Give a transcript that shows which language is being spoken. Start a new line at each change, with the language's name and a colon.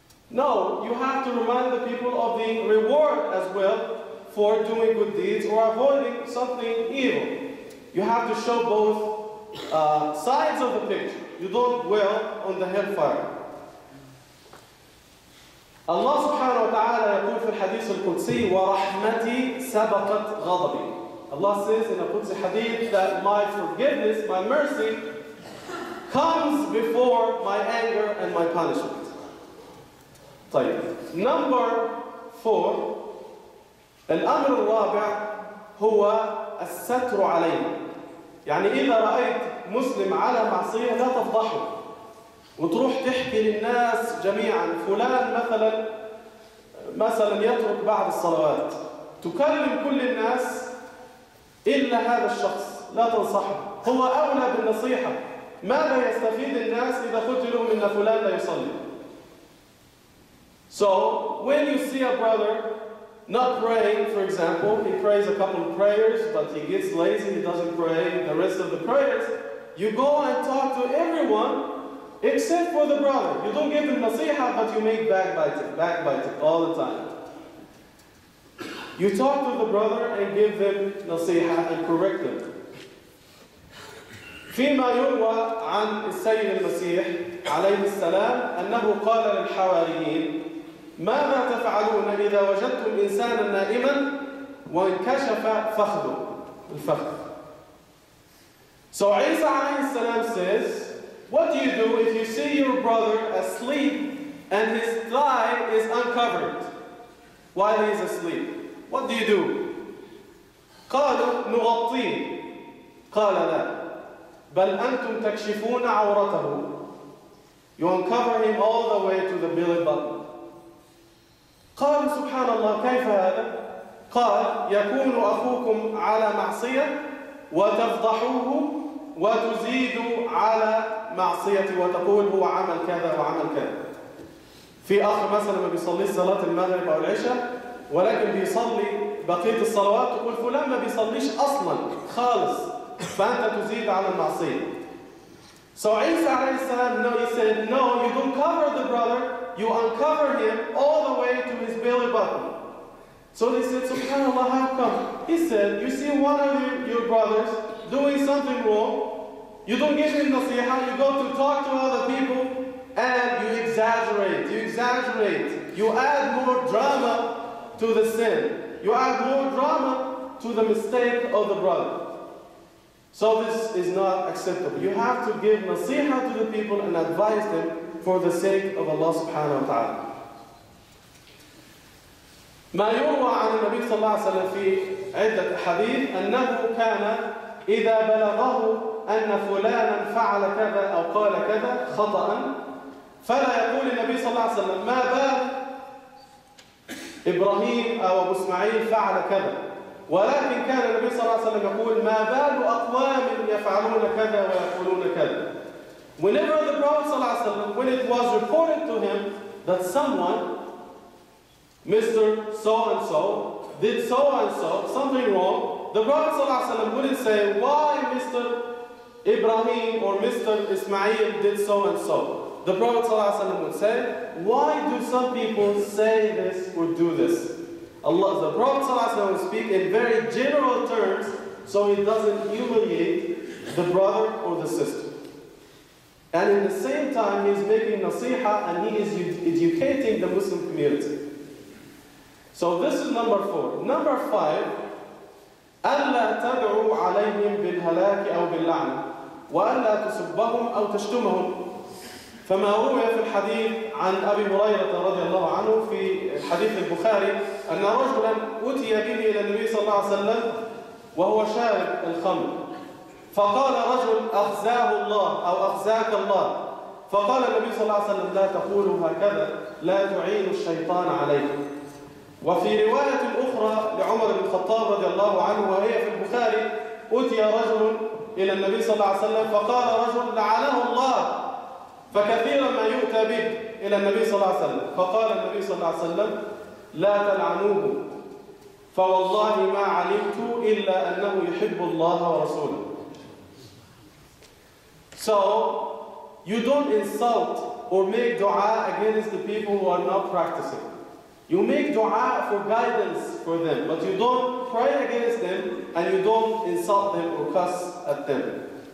English: No, you have to remind the people of the reward as well for doing good deeds or avoiding something evil. You have to show both sides of the picture. You don't dwell on the hellfire.
Arabic: Allah subhanahu wa ta'ala يقول في الحديث القدسي ورحمتي سبقت غضبي.
English: Allah says in a Qudsi hadith that my forgiveness, my mercy comes before my anger and my punishment.
Arabic: طيب.
English: Number four,
Arabic: الأمر الرابع هو الستر علينا. يعني إذا رأيت مسلم على معصية لا تفضحه وتروح تحكي للناس جميعا فلان مثلا يترك بعض الصلوات. تكلم كل الناس إلا هذا الشخص لا تنصحه، هو أولى بالنصيحة. ماذا يستفيد الناس إذا قلت لهم إن فلان لا يصلي؟
English: So, when you see a brother not praying, for example, he prays a couple of prayers, but he gets lazy, he doesn't pray the rest of the prayers, you go and talk to everyone except for the brother. You don't give him nasiha, but you make backbiting all the time. You talk to the brother and give them nasiha and correct them.
Arabic: فيما يروى عن السيد المسيح عليه السلام أنه قال للحواريين ماذا تفعلون إذا وجدتم إنسانا نائما وانكشف فخذه الفخذ.
English: So Isa alayhi salam says, what do you do if you see your brother asleep and his thigh is uncovered while he is asleep? What do you do?
Arabic: قالوا نغطيه. قال لا بل أنتم تكشفون عورته.
English: You uncover him all the way to the belly button.
Arabic: قال سبحان الله كيف هذا؟ قال يكون أخوكم على معصية وتفضحوه وتزيد على معصية وتقول هو عمل كذا وعمل كذا. في أخ مثلا ما بيصلي صلاة المغرب أو العشاء ولكن بيصلي بقية الصلوات تقول فلان ما بيصليش أصلا خالص فأنت تزيد على المعصية.
English: So Isa عليه السلام he said no you don't cover the brother you uncover him all the way to his belly button. So they said, SubhanAllah, how come? He said, you see one of your brothers doing something wrong, you don't give him nasiha, you go to talk to other people, and you exaggerate. You add more drama to the sin. You add more drama to the mistake of the brother. So this is not acceptable. You have to give nasiha to the people and advise them for the sake of Allah subhanahu wa ta'ala.
Arabic: ما يروى عن النبي صلى الله عليه وسلم في عدة حديث أنه كان إذا بلغه أن فلانا فعل كذا أو قال كذا خطأ فلا يقول النبي صلى الله عليه وسلم ما بال إبراهيم أو أبو إسماعيل فعل كذا ولكن كان النبي صلى الله عليه وسلم يقول ما بال أقوام يفعلون كذا ويقولون كذا.
English: Whenever the Prophet صلى الله عليه وسلم, when it was reported to him that someone, Mr. So-and-so, did so-and-so, something wrong, the Prophet ﷺ wouldn't say, why Mr. Ibrahim or Mr. Ismail did so-and-so? The Prophet ﷺ would say, why do some people say this or do this? Allah, the Prophet ﷺ would speak in very general terms so he doesn't humiliate the brother or the sister. And in the same time, he's making nasiha and he is educating the Muslim community. So this is number four. Number five,
Arabic: أَلَّا تَدْعُوا عَلَيْهِمْ بِالْهَلَاكِ أَوْ بِاللَّعْنِ وَأَلَّا تُسُبَّهُمْ أَوْ تَشْتُمَهُمْ. فما روى في الحديث عن أبي هريرة رضي الله عنه في حديث البخاري أن رجلا أتي به إلى النبي صلى الله عليه وسلم وهو شارب الخمر. فقال رجل أخزاه الله أو أخزاك الله. فقال النبي صلى الله عليه وسلم لا تقولوا هكذا لا تعين الشيطان عليك. وفي رواية أخرى لعمر بن الخطاب رضي الله عنه وهي في البخاري أتي رجل إلى النبي صلى الله عليه وسلم فقال رجل لعنه الله فكثيرا ما يؤتى به إلى النبي صلى الله عليه وسلم فقال النبي صلى الله عليه وسلم لا تلعنوه فوالله ما علمت إلا أنه يحب الله ورسوله.
English: So you don't insult or make dua against the people who are not practicing. You make dua for guidance for them, but you don't pray against them and you don't insult them or cuss at them.